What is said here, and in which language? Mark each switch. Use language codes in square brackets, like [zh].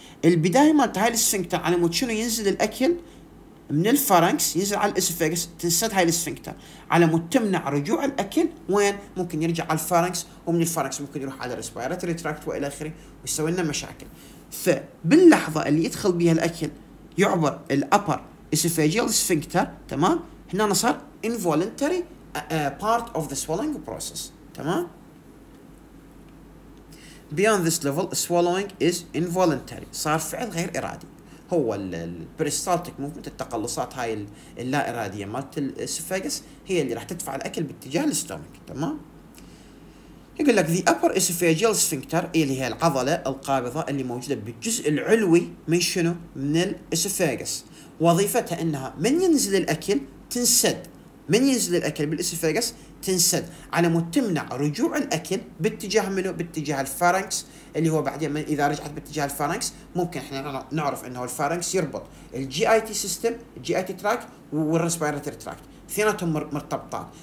[ar] البدايه مالت هاي السفنكتر على مود شنو ينزل الاكل من الفارنكس ينزل على الاسفاجس تنسد هاي السفنكتر على مود تمنع رجوع الاكل وين ممكن يرجع على الفارنكس ومن الفارنكس ممكن يروح على الريسبيراتوري تراكت والى اخره ويسوي لنا مشاكل. فباللحظه اللي يدخل بها الاكل يعبر الابر اسفاجيال سفنكتر تمام، هنا صار [en] involuntary part of the swallowing process [ar] تمام. [en] Beyond this level, swallowing is involuntary. [ar] صار فعل غير إرادي. هو البريستالتيك موفمنت التقلصات هاي اللا إرادية مالت الإسفاجس هي اللي راح تدفع الأكل باتجاه الاستومك تمام؟ يقول لك [en] the upper esophageal sphincter [ar] اللي هي العضلة القابضة اللي موجودة بالجزء العلوي من شنو؟ من الاسفاجس، وظيفتها انها من ينزل الاكل تنسد، من ينزل الاكل بالاسفاجس تنسد على مود تمنع رجوع الاكل باتجاه منه؟ باتجاه الفارنكس، اللي هو بعدين اذا رجعت باتجاه الفارنكس ممكن احنا نعرف انه الفارنكس يربط الجي اي تي سيستم، الجي اي تي تراك والريسبيراتوري تراك، ثنتهم مرتبطان.